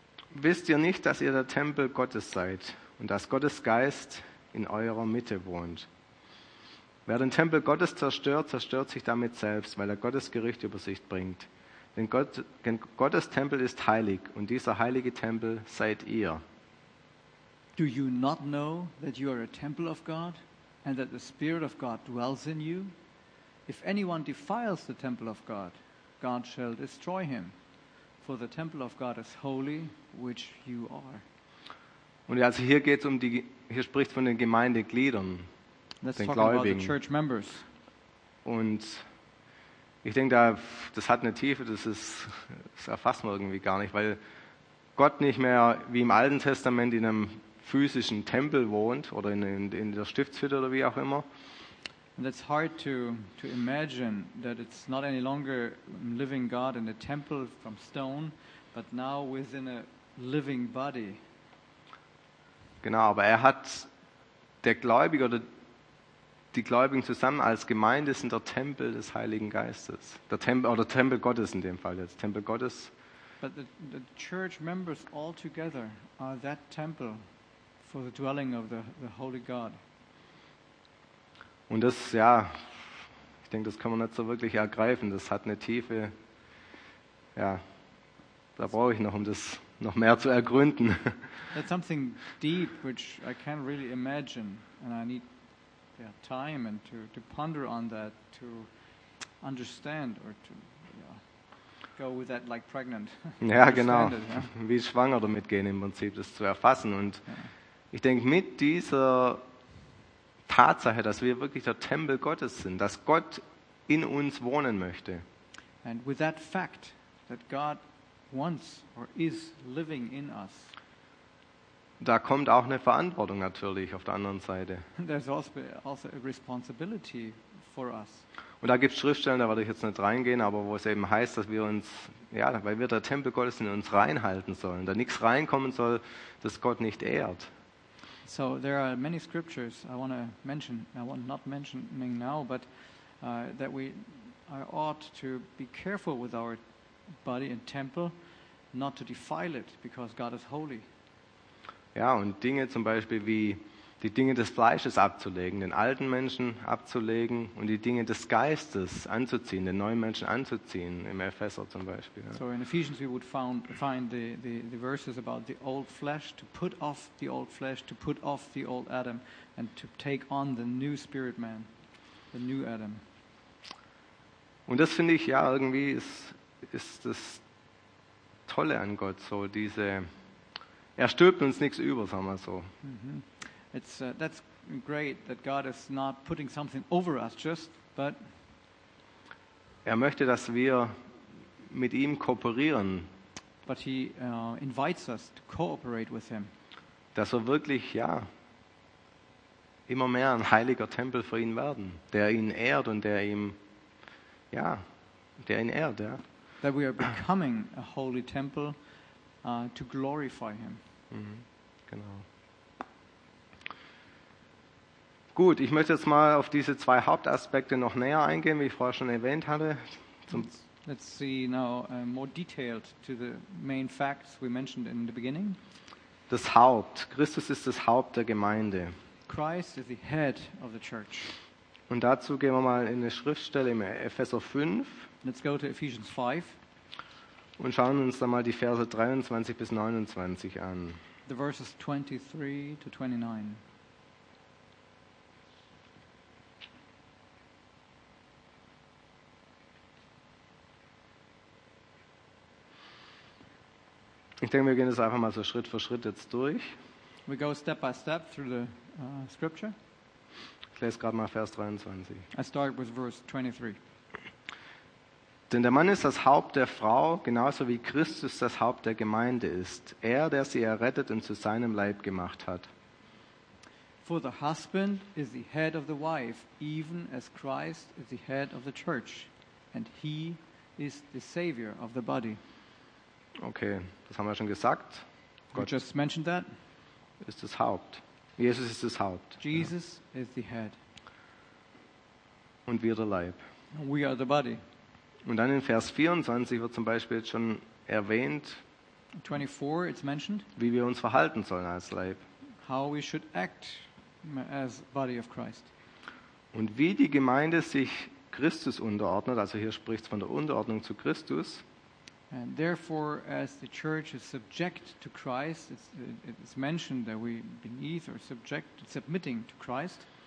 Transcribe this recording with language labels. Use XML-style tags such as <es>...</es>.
<de>Wisst ihr nicht, dass ihr der Tempel Gottes seid und dass Gottes Geist in eurer Mitte wohnt? Wer den Tempel Gottes zerstört, zerstört sich damit selbst, weil er Gottes Gericht über sich bringt. Denn Gottes Tempel ist heilig und dieser heilige Tempel seid ihr.</de> <en>Do you not know that you are a temple of God and that the Spirit of God dwells in you? If anyone defiles the temple of God, God shall destroy him. For the temple of God is holy, which you are.</en> <de>Und also hier geht's um die, hier spricht von den Gemeindegliedern,</de> <en>Let's</en> <de>den</de> <en>talk</en> <de>Gläubigen.</de> <en>About the church members.</en> <de>Und ich denke, das hat eine Tiefe, das erfasst man irgendwie gar nicht, weil Gott nicht mehr wie im Alten Testament in einem physischen Tempel wohnt oder in der Stiftshütte oder wie auch immer.</de> <en>And it's hard to imagine that it's not any longer living God in a temple from stone, but now within a living body.</en> <de>Genau, aber er hat der Gläubige oder die Gläubigen zusammen als Gemeinde sind der Tempel des Heiligen Geistes. Der Tempel oder Tempel Gottes in dem Fall jetzt. Tempel Gottes.</de> <en>But the church members all together are that temple for the dwelling of the Holy God.</en> <de>Und das, ja, ich denke, das kann man nicht so wirklich ergreifen. Das hat eine Tiefe, ja, da brauche ich noch, um das noch mehr zu ergründen.</de> <en>That's something deep, which I can't really imagine, and I need time and to ponder on that, to understand or to go with that like pregnant.</en> <de>Ja, genau. Wie schwanger damit gehen im Prinzip, das zu erfassen. Und ich denke, mit dieser Tatsache, dass wir wirklich der Tempel Gottes sind, dass Gott in uns wohnen möchte.</de> <en>And with that fact that God wants or is living in us.</en> <de>Da kommt auch eine Verantwortung natürlich auf der anderen Seite.</de> <en>There's also a responsibility for us.</en> <de>Und da gibt es Schriftstellen, da werde ich jetzt nicht reingehen, aber wo es eben heißt, dass wir uns, ja, weil wir der Tempel Gottes in uns reinhalten sollen, da nichts reinkommen soll, das Gott nicht ehrt.</de> <en>So there are many scriptures I want to mention, I want not mentioning now, but that we are ought to be careful with our body and temple, not to defile it, because God is holy.</en> <de>Ja, und Dinge zum Beispiel wie die Dinge des Fleisches abzulegen, den alten Menschen abzulegen und die Dinge des Geistes anzuziehen, den neuen Menschen anzuziehen, im Epheser zum Beispiel.</de> <en>So in Ephesians we would find the verses about the old flesh, to put off the old flesh, to put off the old Adam and to take on the new spirit man, the new Adam.</en> <de>Und das finde ich ja irgendwie ist das Tolle an Gott, so diese, er stülpt uns nichts über, sagen wir so. Mm-hmm.</de> <en>That's great that God is not putting something over us just, but</en> <de>er möchte, dass wir mit ihm kooperieren.</de> <en>But he invites us to cooperate with him.</en> <de>Dass wir wirklich, ja, immer mehr ein heiliger Tempel für ihn werden, der ihn ehrt und der ihm, ja, der ihn ehrt, ja.</de> <en>That we are becoming a holy temple to glorify him.</en> <de>Mm-hmm. Genau. Gut, ich möchte jetzt mal auf diese zwei Hauptaspekte noch näher eingehen, wie ich vorher schon erwähnt hatte.</de> <en>Let's see now more detailed to the main facts we mentioned in the beginning.</en> <de>Das Haupt. Christus ist das Haupt der Gemeinde.</de> <en>Christ is the head of the church.</en> <de>Und dazu gehen wir mal in eine Schriftstelle im Epheser 5.</de> <en>Let's go to Ephesians 5.</en> <de>Und schauen uns da mal die Verse 23 bis 29 an.</de> <en>The verses 23 to 29.</en> <de>Ich denke, wir gehen das einfach mal so Schritt für Schritt jetzt durch.</de> <en>We go step by step through the scripture.</en> <de>Ich lese gerade mal Vers 23.</de> <en>I start with verse 23.</en> <de>Denn der Mann ist das Haupt der Frau, genauso wie Christus das Haupt der Gemeinde ist. Er, der sie errettet und zu seinem Leib gemacht hat.</de> <en>For the husband is the head of the wife, even as Christ is the head of the church. And he is the savior of the body.</en> <de>Okay, das haben wir schon gesagt.</de> <en>Gott just mentioned that.</en> <de>Ist das Haupt. Jesus ist das Haupt.</de> <en>Jesus</en> <de>ja.</de> <en>Is the head.</en> <de>Und wir der Leib.</de> <en>We are the body.</en> <de>Und dann in Vers 24 wird zum Beispiel jetzt schon erwähnt,</de> <en>24, it's mentioned,</en> <de>wie wir uns verhalten sollen als Leib.</de> <en>How we should act as body of Christ.</en> <de>Und wie die Gemeinde sich Christus unterordnet, also hier spricht es von der Unterordnung zu Christus.</de> <en>And therefore, as the church is subject to Christ, it's mentioned that we beneath or subject, submitting to Christ.</en>